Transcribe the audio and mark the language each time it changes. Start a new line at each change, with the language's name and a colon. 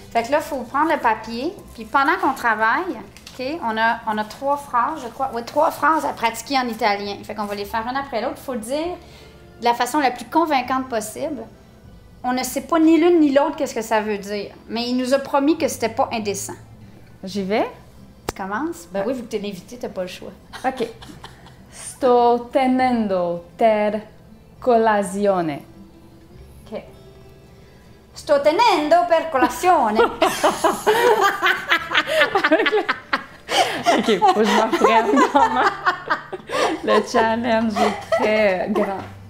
French: Fait que là, il faut prendre le papier, puis pendant qu'on travaille, okay, on a trois phrases, je crois. Oui, trois phrases à pratiquer en italien. Fait qu'on va les faire une après l'autre. Il faut le dire de la façon la plus convaincante possible. On ne sait pas ni l'une ni l'autre qu'est-ce que ça veut dire, mais il nous a promis que c'était pas indécent. J'y vais? Tu commences? Ben oui, vu que t'es l'invité, t'as pas le choix. OK.
Italian: Sto tenendo per colazione.
French: OK.
Italian: Sto tenendo per colazione.
French: OK, faut que je m'apprenne comment. Le challenge est très grand.